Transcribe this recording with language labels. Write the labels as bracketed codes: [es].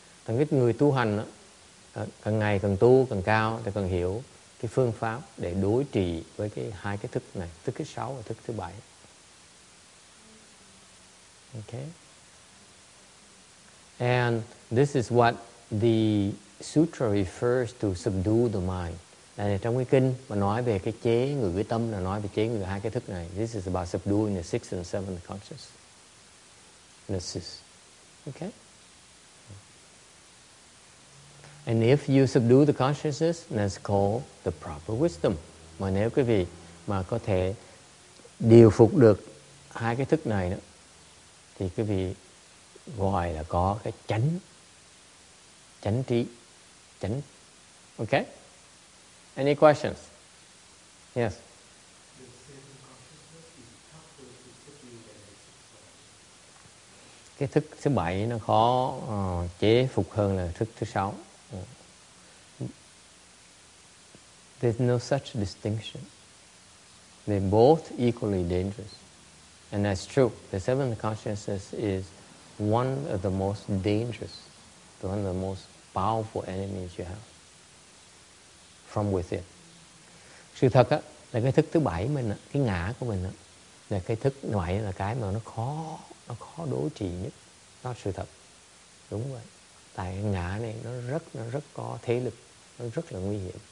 [vi] Thành cái người tu hành đó, càng ngày càng tu càng cao thì càng hiểu cái phương pháp để đối trị với cái hai cái thức này, thức thứ sáu và thức thứ bảy. [en] Okay. And this is what the sutra refers to, subdue the mind. [vi] Là trong cái kinh mà nói về cái chế ngự cái tâm là nói về chế ngự hai cái thức này. [en] This is about subduing the sixth and seventh consciousnesses. Okay. And if you subdue the consciousness, that's called the proper wisdom. [vi] Mà nếu quý vị mà có thể điều phục được hai cái thức này đó, thì quý vị gọi là có cái chánh, chánh trí, chánh. [en] Okay? Any questions? Yes. [vi] Cái thức thứ bảy nó khó chế phục hơn là thức thứ sáu. [en] There's no such distinction. They're both equally dangerous. And that's true. The seventh consciousness is one of the most dangerous, one of the most powerful enemies you have from within. [vi] Sự thật á, là cái thức thứ bảy mình á, cái ngã của mình á, là cái thức ngoại là cái mà nó khó đối trị nhất. Nó sự thật. Đúng vậy. Tại cái ngã này nó rất có thế lực, nó rất là nguy hiểm.